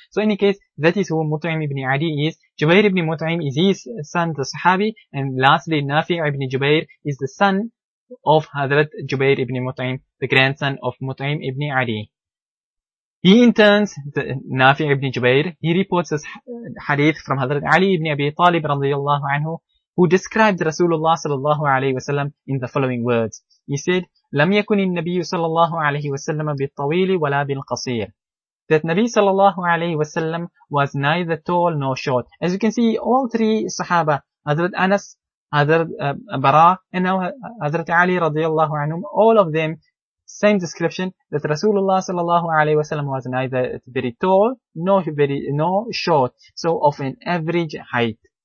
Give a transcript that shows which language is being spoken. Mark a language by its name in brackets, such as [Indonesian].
[English] So in any case, that is who Mut'im ibn Adi is. Jubair ibn Mut'im is his son, the Sahabi, and lastly, Nafi' ibn Jubair is the son of Hazrat Jubair ibn Mut'im, the grandson of Mut'im ibn Adi. He in turn, Nafi' ibn Jubayr, he reports this hadith from Hazrat Ali ibn Abi Talib radiallahu anhu, who described Rasulullah sallallahu alayhi wasallam in the following words. He said, [Arabic] لم يكن النبي صلى الله عليه وسلم بالطويل ولا بالقصير. [English] That Nabi sallallahu alayhi wasallam was neither tall nor short. As you can see, all three Sahaba, Hazrat Anas, Hazrat Bara, and now Hazrat Ali radiallahu anhu, all of them, same description, that Rasulullah sallallahu alayhi wa sallam was neither very tall nor short, so of an average height.